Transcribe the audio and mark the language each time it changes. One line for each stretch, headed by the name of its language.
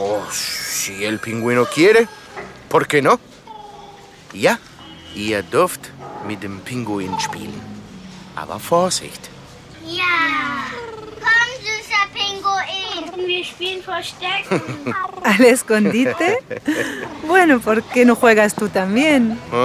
Spanish: Si el pingüino quiere, ¿por qué no?
German: Ja, ihr dürft mit dem Pinguin spielen. Aber Vorsicht. Ja. Komm, süßer Pinguin. Wir spielen Verstecken.
Spanish: ¿Al escondite? Bueno, ¿por qué no juegas tú también?